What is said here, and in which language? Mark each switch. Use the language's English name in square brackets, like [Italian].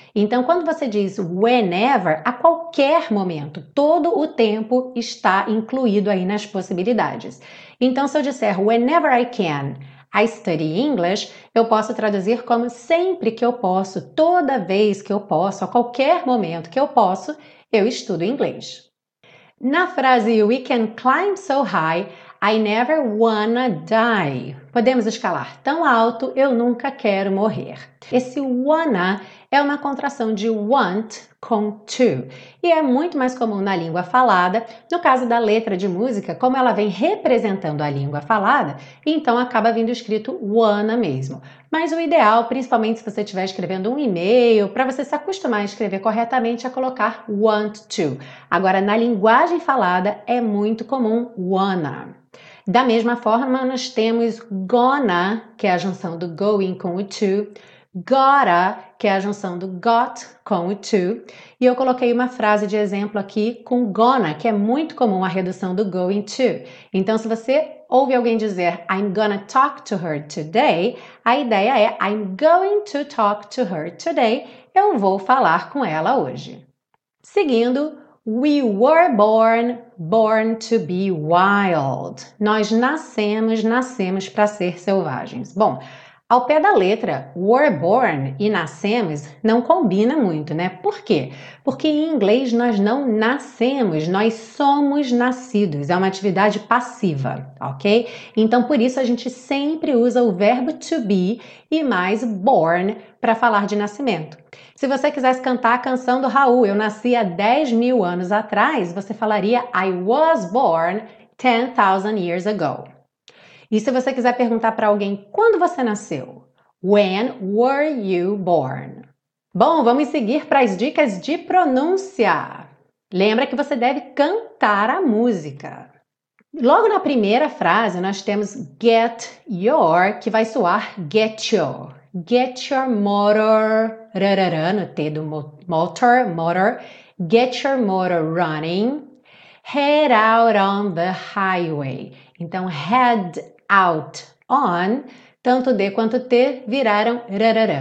[Portuguese] Então, quando você diz whenever, a qualquer momento, todo o tempo está incluído aí nas possibilidades. Então, se eu disser [English] whenever I can, I study English, [Portuguese] eu posso traduzir como sempre que eu posso, toda vez que eu posso, a qualquer momento que eu posso, eu estudo inglês. Na frase, [English] we can climb so high, I never wanna die. [Portuguese] Podemos escalar tão alto, eu nunca quero morrer. Esse wanna é uma contração de want com to. E é muito mais comum na língua falada. No caso da letra de música, como ela vem representando a língua falada, então acaba vindo escrito wanna mesmo. Mas o ideal, principalmente se você estiver escrevendo um e-mail, para você se acostumar a escrever corretamente, é colocar want to. Agora, na linguagem falada, é muito comum wanna. Da mesma forma, nós temos gonna, que é a junção do going com o to, gotta, que é a junção do got com o to, e eu coloquei uma frase de exemplo aqui com gonna, que é muito comum a redução do going to. Então, se você ouve alguém dizer, [English] I'm gonna talk to her today, [Portuguese] a ideia é, [English] I'm going to talk to her today, [Portuguese] eu vou falar com ela hoje. Seguindo, [English] we were born to be wild. [Portuguese] Nós nascemos para ser selvagens. Bom, ao pé da letra, were born e nascemos não combina muito, né? Por quê? Porque em inglês nós não nascemos, nós somos nascidos. É uma atividade passiva, ok? Então, por isso, a gente sempre usa o verbo to be e mais born para falar de nascimento. Se você quisesse cantar a canção do Raul, eu nasci há 10 mil anos atrás, você falaria [English] I was born 10,000 years ago. [Portuguese] E se você quiser perguntar para alguém quando você nasceu? [English] When were you born? [Portuguese] Bom, vamos seguir para as dicas de pronúncia. Lembra que você deve cantar a música. Logo na primeira frase, nós temos get your, que vai soar get your. [English] Get your motor, rararã, [Portuguese] no T do motor, [English] get your motor running. Head out on the highway. Então, head out on, [Portuguese] tanto D quanto T viraram rarara.